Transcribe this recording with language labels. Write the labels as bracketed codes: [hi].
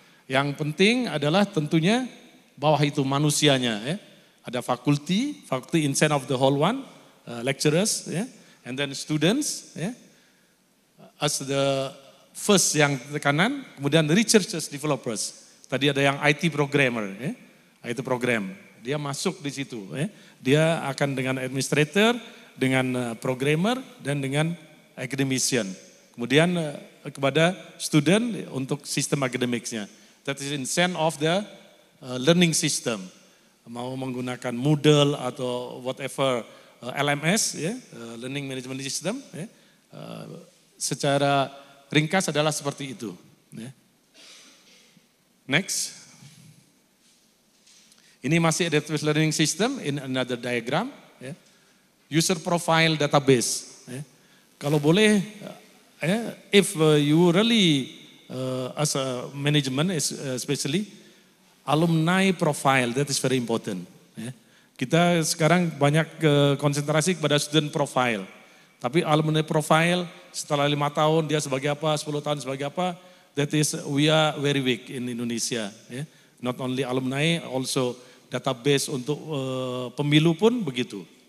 [id] Yang penting adalah tentunya bawah itu manusianya. Ada [en] faculty in sense of the whole one, lecturers, and then students. As the first [id] yang kanan, kemudian [en] researchers, developers. [id] Tadi ada yang IT programmer, IT program. Dia masuk di situ. Dia akan dengan administrator, dengan programmer, dan dengan academician. Kemudian kepada student untuk sistem academics-nya. [en] That is in sense of the learning system. [id] Mau menggunakan Moodle atau whatever LMS, Learning Management System. Secara ringkas adalah seperti itu. [en] Next. [id] Ini masih [en] adaptive learning system in another diagram. User profile database. [id] Kalau boleh, [en] if you really as a management especially, alumni profile, that is very important. [id] Kita sekarang banyak konsentrasi kepada student profile. Tapi alumni profile setelah 5 tahun dia sebagai apa, 10 tahun sebagai apa, [en] that is we are very weak in Indonesia. Not only alumni, also database [id] untuk pemilu pun begitu.